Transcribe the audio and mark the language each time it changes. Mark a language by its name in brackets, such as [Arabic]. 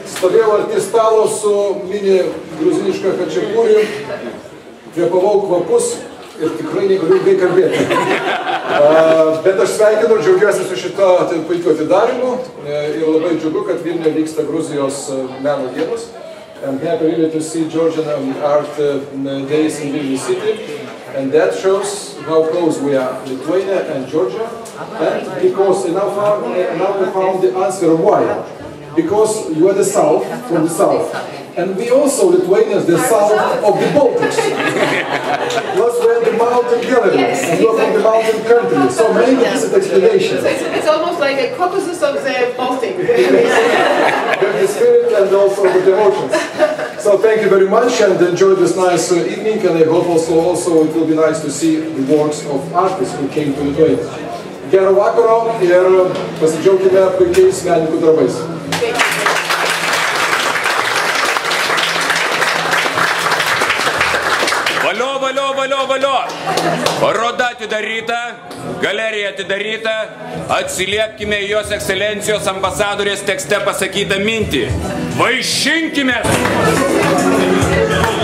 [Lithuanian] Stovėjau arti stalo su mini gruzinišką chačiapuri, kvėpavau kvapus ir tikrai negaliu ilgai kalbėti. Bet aš sveikinu, džiaugiuosi su šito puikiu atidarymu ir labai džiugu, kad Vilniuje vyksta Gruzijos meno dienos. [English] I'm happy really to see Georgian art days in Vilnius city, and that shows how close we are, Lithuania and Georgia, and because now we found the answer why. Because you are the south, from the south, and we also, Lithuanians, the south of the Baltics. Plus we are the mountain gallery, yes, and you are from the mountain country, so maybe this is the explanation. So it's almost like a Caucasus of the Baltic. The spirit and also the emotions. So thank you very much and enjoy this nice evening, and I hope also it will be nice to see the works of artists who came to Lithuania. [Lithuanian] Gero vakaro ir pasidžiaukime puikiais menininkų darbais. Valio, valio, valio, valio! Paroda atidaryta, galerija atidaryta, atsiliepkime į jos ekscelencijos ambasadorės tekste pasakytą mintį. Vaišinkime!